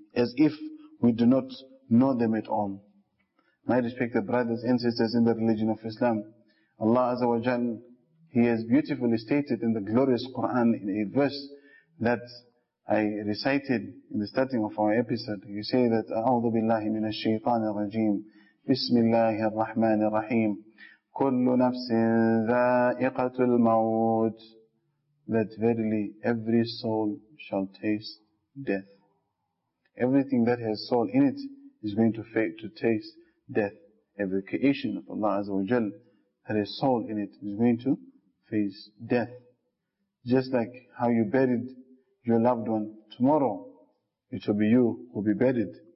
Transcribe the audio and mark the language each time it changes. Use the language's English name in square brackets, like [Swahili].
[English] as if we do not know them at all. My respected brothers and sisters in the religion of Islam, Allah Azza wa Jal, He has beautifully stated in the glorious Quran in a verse that I recited in the starting of our episode. You say that, [Arabic] أعوذ بالله من الشيطان الرجيم بسم الله الرحمن الرحيم كل نفس ذائقة الموت, [English] that verily every soul shall taste death. Everything that has soul in it is going to fade, to taste death. Every creation of Allah Azza wa Jal that has soul in it is going to face death. Just like how you buried your loved one, tomorrow it will be you who will be buried.